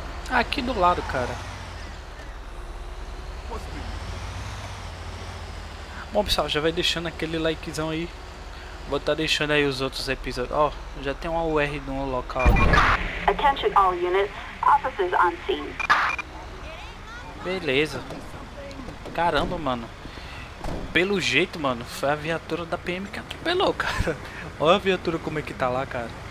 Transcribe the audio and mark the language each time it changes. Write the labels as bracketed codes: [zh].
[pt] Aqui do lado, cara. Bom, pessoal, já vai deixando aquele likezão aí. Vou estar deixando aí os outros episódios. Ó, já tem uma UR no local. [en] Attention all units, officers on scene. [pt] Beleza. Caramba, mano. Pelo jeito, mano, foi a viatura da PM que atropelou, cara. Olha a viatura como é que tá lá, cara.